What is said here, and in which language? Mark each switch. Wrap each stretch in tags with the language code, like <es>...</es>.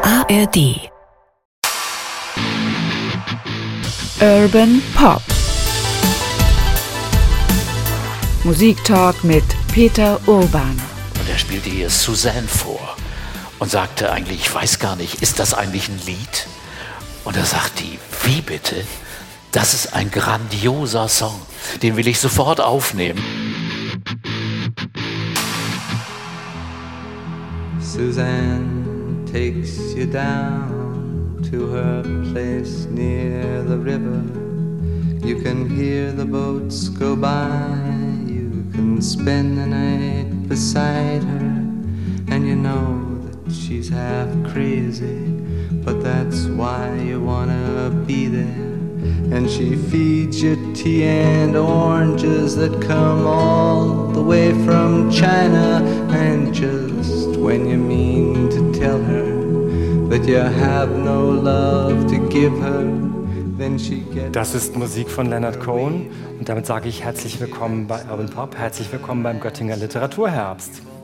<de>RD Urban Pop Musiktalk mit Peter Urban. Und er spielte hier Suzanne vor und sagte eigentlich, ich weiß gar nicht, ist das eigentlich ein Lied? Und er sagt die, wie bitte? Das ist ein grandioser Song, den will ich sofort aufnehmen.</de> <en>Suzanne takes you down to her place near the river. You can hear the boats go by, you can spend the night beside her, and you know that she's half crazy, but that's why you wanna be there. And she feeds you tea and oranges that come all the way from China, and just when you mean to tell her that you have no love to give her, then she gets...</en> <de>Das ist Musik von Leonard Cohen und damit sage ich herzlich willkommen bei Urban Pop, herzlich willkommen beim Göttinger Literaturherbst.</de>